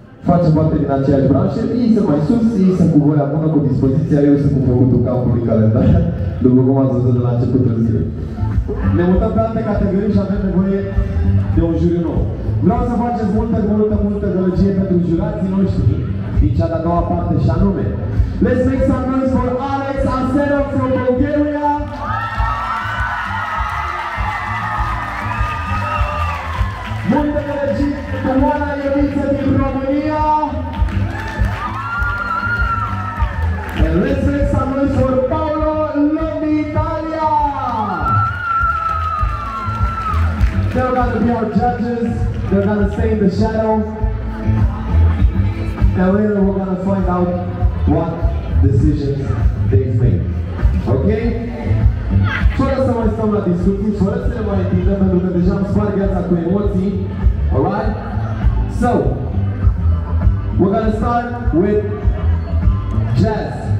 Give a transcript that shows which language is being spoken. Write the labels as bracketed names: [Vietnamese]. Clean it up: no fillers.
[Romanian] Facem parte din aceeași branșă, ei sunt mai sus, ei sunt cu voia bună, cu dispoziția, eu sunt cu făcutul capului calendar, după cum ați văzut de la începutul zilei. Ne mutăm pe alte categorii și avem nevoie de un juriu nou. Vreau să faceți multă, multă, multă drăgie pentru jurații noștri din cea de-a doua parte și anume. [English] Let's make some noise for Alex Ansero from Bulgaria. [Romanian] Multă drăgie pentru Oana Ioniță din România. [English] And let's make some noise for Paolo Lomi Italia. They're about to be our judges, they're going to stay in the shadow, and later we're going to find out what decisions they've made. Okay? [Romanian] Fără să mai stăm la discuții, fără să ne mai întindem, pentru că deja îmi spar gheața cu emoții, alright? [English] So, we're going to start with jazz.